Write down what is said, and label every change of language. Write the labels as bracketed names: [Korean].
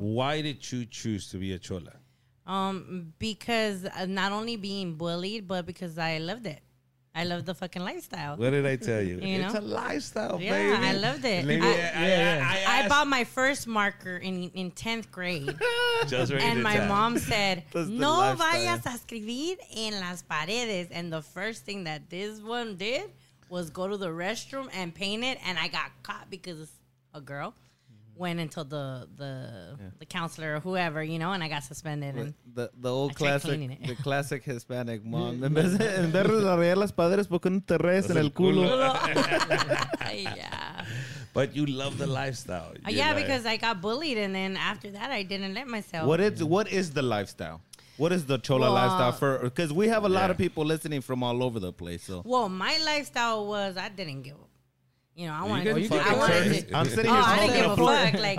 [English] Why did you choose to be a chola? Because not only being bullied, but because I loved it. I love the fucking lifestyle. What did I tell you? You know? It's a lifestyle, yeah, baby. Yeah, I loved it. I bought my first marker in 10th grade. Just right. And my time. Mom said, [Spanish] no vayas a escribir en las paredes. [English] And the first thing that this one did was go to the restroom and paint it. And I got caught because a girl went and told the counselor or whoever, you know, and I got suspended. And the classic Hispanic mom. [Spanish] En vez de arreglar las paredes, ¿por qué no te rees en el culo? [English] Yeah. But you love the lifestyle. Because I got bullied, and then after that, I didn't let myself. What is the lifestyle? What is the chola lifestyle? Because we have a lot of people listening from all over the place. So. Well, my lifestyle was I didn't give up. You know, I'm sitting here smoking a blunt.